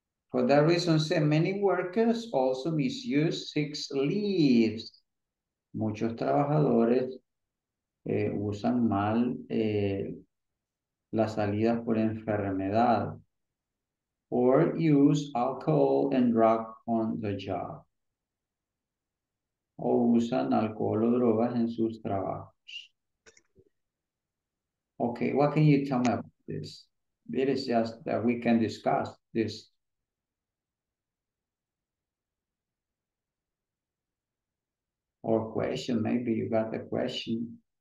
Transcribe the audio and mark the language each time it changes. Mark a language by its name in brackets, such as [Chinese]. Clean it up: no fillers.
[English] For that reason, say many workers also misuse sick leave. [Spanish] Muchos trabajadores usan mal las salidas por enfermedad. [English] Or use alcohol and drug on the job. [Spanish] O usan alcohol o drogas en sus trabajos. [English] Okay, what can you tell me about this? It is just that we can discuss this. Or question, maybe you got the question.